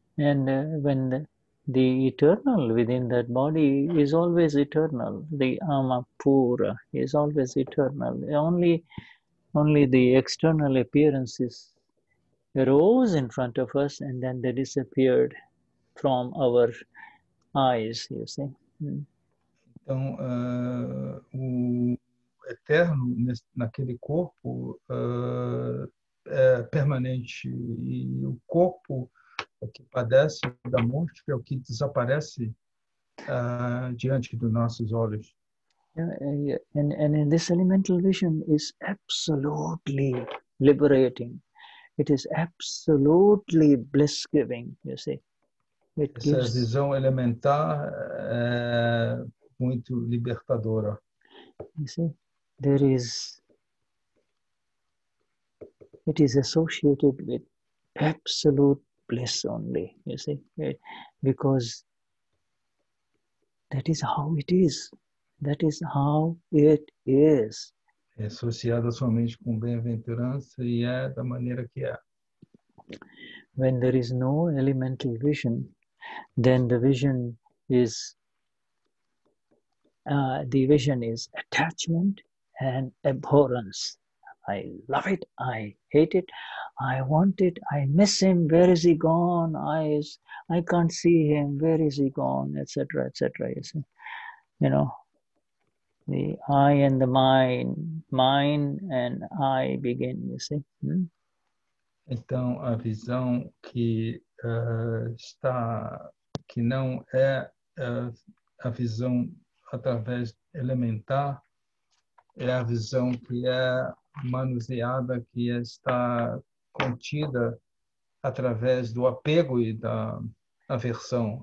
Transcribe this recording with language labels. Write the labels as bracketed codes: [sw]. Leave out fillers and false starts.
[en] And when the eternal within that body is always eternal, the ama pura is always eternal, only the external appearances arose in front of us and then they disappeared from our eyes, you see. [pt] Então, o eterno naquele corpo é permanente, e o corpo que padece da morte é o que desaparece diante dos nossos olhos. [en] And in this elemental vision is absolutely liberating. It is absolutely bliss-giving, you see. [pt] Essa visão elementar é muito libertadora. [en] You see, it is associated with absolute bliss only, you see. Because that is how it is. That is how it is. [pt] É associada somente com bem-aventurança e é da maneira que é. [en] When there is no elemental vision, then the vision is attachment and abhorrence. I love it, I hate it, I want it, I miss him, where is he gone? I can't see him, where is he gone, etc., etc. You see, you know. The I and the mine and I begin, you see. [pt] Então, a visão que está, que não é a visão através elementar, é a visão que é manuseada, que está contida através do apego e da aversão.